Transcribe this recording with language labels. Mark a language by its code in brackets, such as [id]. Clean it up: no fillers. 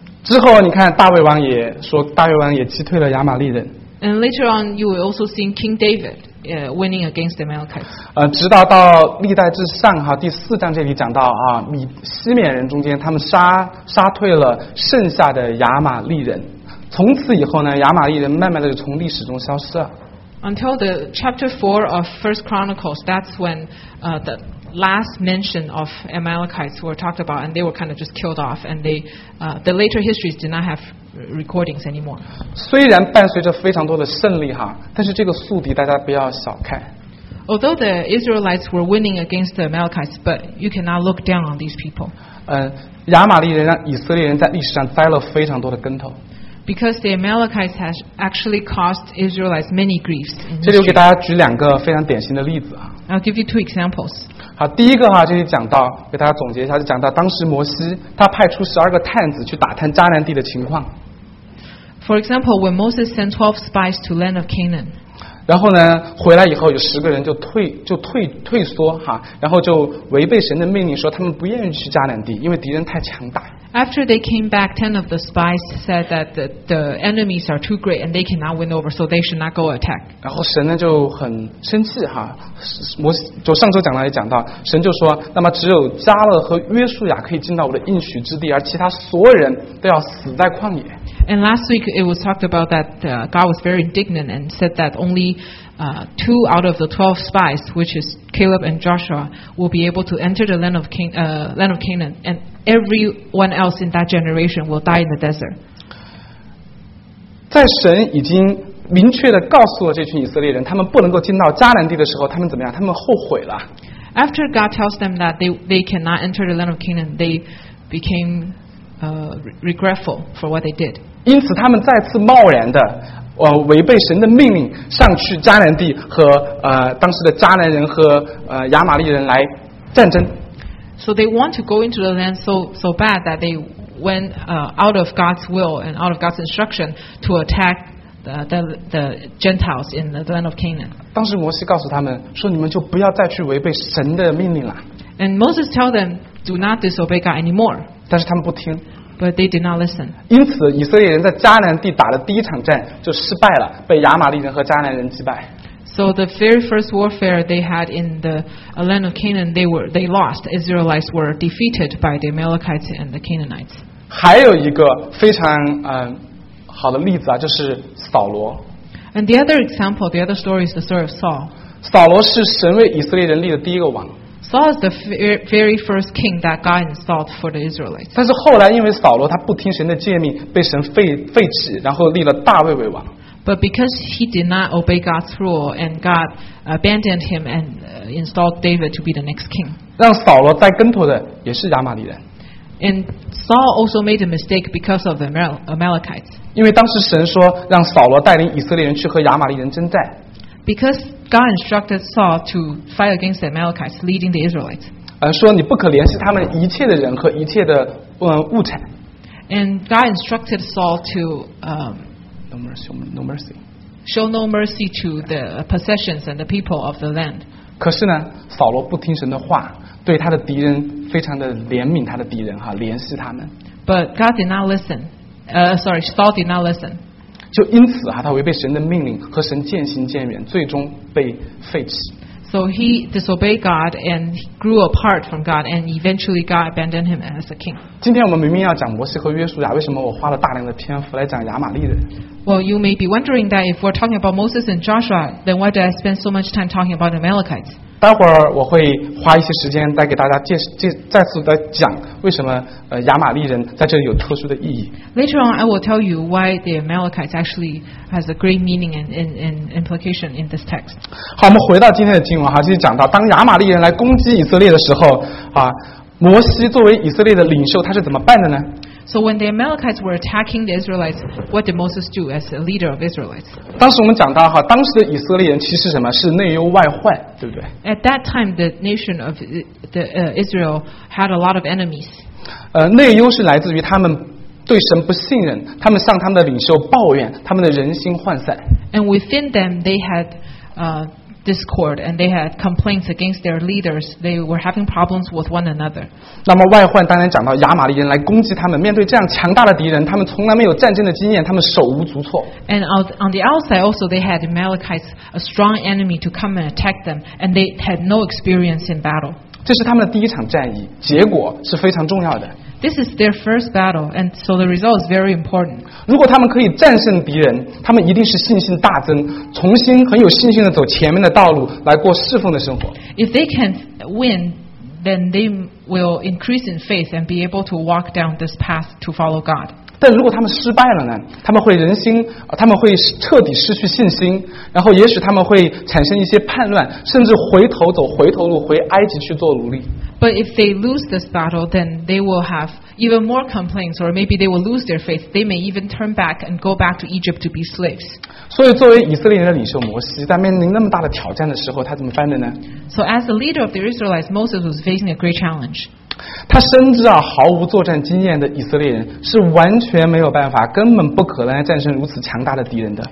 [zh] 之后你看大卫王也击退了亚玛力人。 [en] And later on, you will also see King David winning against the Amalekites. [zh] 直到历代至上哈第四章这里讲到啊，西缅人中间他们杀退了剩下的亚玛力人，从此以后呢，亚玛力人慢慢的就从历史中消失了。 [en] Until the chapter 4 of First Chronicles, that's when the last mention of Amalekites were talked about, and they were kind of just killed off, and the later histories did not have. Recordings anymore. [zh] 虽然伴随着非常多的胜利哈，但是这个宿敌大家不要小看。 [en] Although the Israelites were winning against the Amalekites, but you cannot look down on these people. [zh] 亚玛力人让以色列人在历史上栽了非常多的跟头。 [en] Because the Amalekites has actually caused Israelites many griefs. [zh] 这里我给大家举两个非常典型的例子啊。 [en] I'll give you two examples. [zh] 好，第一个哈，就是讲到给大家总结一下，就讲到当时摩西他派出12个探子去打探迦南地的情况。 [en] For example, when Moses sent 12 spies to land of Canaan. [zh] 然后呢，回来以后有十个人就退缩哈，然后就违背神的命令，说他们不愿意去迦南地，因为敌人太强大。 [en] After they came back, 10 of the spies said that the enemies are too great and they cannot win over, so they should not go attack. [zh] 然后神呢就很生气哈，摩就上周讲到也讲到，神就说，那么只有加勒和约书亚可以进到我的应许之地，而其他所有人都要死在旷野。 [en] And last week it was talked about that God was very indignant and said that only two out of the 12 spies, which is Caleb and Joshua, will be able to enter the land of Canaan, and everyone else in that generation will die in the desert. [zh] 在神已经明确地告诉了这群以色列人，他们不能够进到迦南地的时候，他们怎么样？他们后悔了。 [en] After God tells them that they cannot enter the land of Canaan, they became regretful for what they did. [zh] 因此，他们再次贸然的，违背神的命令，上去迦南地和当时的迦南人和亚玛利人来战争。 [en] So they want to go into the land so bad that they went out of God's will and out of God's instruction to attack the Gentiles in the land of Canaan. [zh] 当时摩西告诉他们说，你们就不要再去违背神的命令了。 [en] And Moses tell them, do not disobey God anymore. [zh] 但是他们不听。 [en] But they did not listen. [zh] 因此，以色列人在迦南地打的第一场战就失败了，被亚玛利人和迦南人击败。 [en] So the very first warfare they had in the land of Canaan, they lost. Israelites were defeated by the Amalekites and the Canaanites. [zh] 还有一个非常好的例子啊，就是扫罗。 [en] And the other example, the other story is the story of Saul. [zh] 扫罗是神为以色列人立的第一个王。 [en] Saul is the very first king that God installed for the Israelites. [zh] 但是后来因为扫罗他不听神的诫命，被神废止，然后立了大卫为王。 [en] But because he did not obey God's rule, and God abandoned him and installed David to be the next king. [zh] 让扫罗栽跟头的也是亚玛利人。 [en] And Saul also made a mistake because of the Amalekites. [zh] 因为当时神说让扫罗带领以色列人去和亚玛利人征战。 [en] Because God instructed Saul to fight against the Amalekites, leading the Israelites. [zh] 说你不可联系他们一切的人和一切的物产。 [en] And God instructed Saul to show no mercy to the possessions and the people of the land. [zh] 可是呢，扫罗不听神的话，对他的敌人非常的怜悯他的敌人哈，联系他们。 [en] But God did not listen. Saul did not listen. [zh] 就因此啊，他违背神的命令，和神渐行渐远，最终被废弃。 [en] So he disobeyed God and grew apart from God, and eventually God abandoned him as a king. [zh] 今天我们明明要讲摩西和约书亚，为什么我花了大量的篇幅来讲亚玛利人 [en] ？Well, you may be wondering that if we're talking about Moses and Joshua, then why did I spend so much time talking about the Amalekites? [zh] 待会儿我会花一些时间再给大家再次的讲为什么亚玛利人在这里有特殊的意义。 [en] Later on, I will tell you why the Amalekites actually has a great meaning and implication in this text. [zh] 好，我们回到今天的经文哈，就是讲到当亚玛利人来攻击以色列的时候啊，摩西作为以色列的领袖，他是怎么办的呢？ [en] So when the Amalekites were attacking the Israelites, what did Moses do as a leader of Israelites? [zh] 当时我们讲到哈，当时的以色列人其实什么是内忧外患，对不对 [en] ？At that time, the nation of the Israel had a lot of enemies. [zh] 内忧是来自于他们对神不信任，他们向他们的领袖抱怨，他们的人心涣散。 [en] And within them, they had discord and they had complaints against their leaders. They were having problems with one another. [zh] 那么外患当然讲到亚玛利人来攻击他们。面对这样强大的敌人，他们从来没有战争的经验，他们手无足措。 [en] And on the outside, also they had Amalekites, a strong enemy to come and attack them, and they had no experience in battle. [zh] 这是他们的第一场战役，结果是非常重要的。 [en] This is their first battle, and so the result is very important. [zh] 如果他们可以战胜敌人，他们一定是信心大增，重新很有信心地走前面的道路，来过侍奉的生活。 [en] If they can win, then they will increase in faith and be able to walk down this path to follow God. [zh] 但如果他们失败了呢？他们会人心，他们会彻底失去信心，然后也许他们会产生一些叛乱，甚至回头走回头路，回埃及去做奴隶。 [en] But if they lose this battle, then they will have even more complaints, or maybe they will lose their faith. They may even turn back and go back to Egypt to be slaves. [zh] 所以作为以色列人的领袖摩西，在面临那么大的挑战的时候，他怎么办的呢？ [en] So as the leader of the Israelites, Moses was facing a great challenge. [zh] 他深知啊，毫无作战经验的以色列人是完全没有办法，根本不可能战胜如此强大的敌人的。